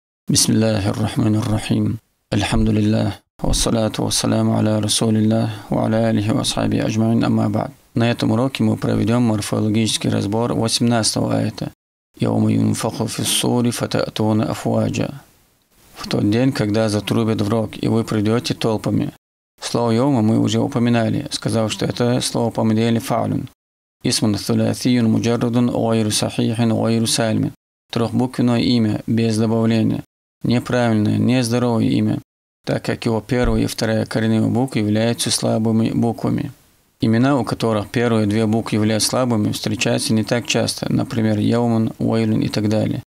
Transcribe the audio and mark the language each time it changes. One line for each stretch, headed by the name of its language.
Arabic: بسم الله الرحمن الرحيم الحمد لله والصلاة والسلام على رسول الله وعلى آله وصحبه أجمعين أما بعد.
Russian: На этом уроке мы проведем морфологический разбор 18 аята.
Arabic: يوم ينفخ في الصور فتأتون أفواجا.
Russian: В тот день, когда затрубят в рог, и вы придете толпами. Слово يوم мы уже упоминали, сказав, что это слово по модели فعلن.
Arabic: اسم ثلاثي مجرد غير صحيح غير سالم.
Russian: Трехбуквенное имя без добавления. Неправильное, нездоровое имя, так как его первая и вторая коренные буквы являются слабыми буквами. Имена, у которых первые две буквы являются слабыми, встречаются не так часто, например, Яуман, Уайлин и так далее.